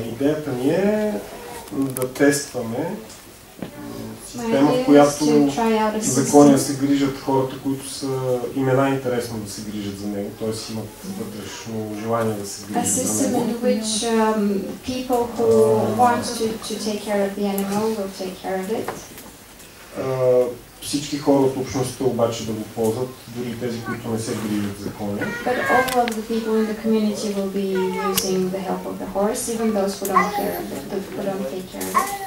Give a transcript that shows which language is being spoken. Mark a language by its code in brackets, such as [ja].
[bg] Идеята ни е да тестваме система, която за коня се грижат хората, които са, им е най-интересно да се грижат за него, т.е. имат вътрешно желание да се грижат за него. [en] A system in which people who want to take care of the animal will take care of it. [bg] Всички хора от общността обаче да го ползват, дори тези, които не се грижат за коня. [en] But all of the people in the community will be using the help of the horse, even those who don't take care of it.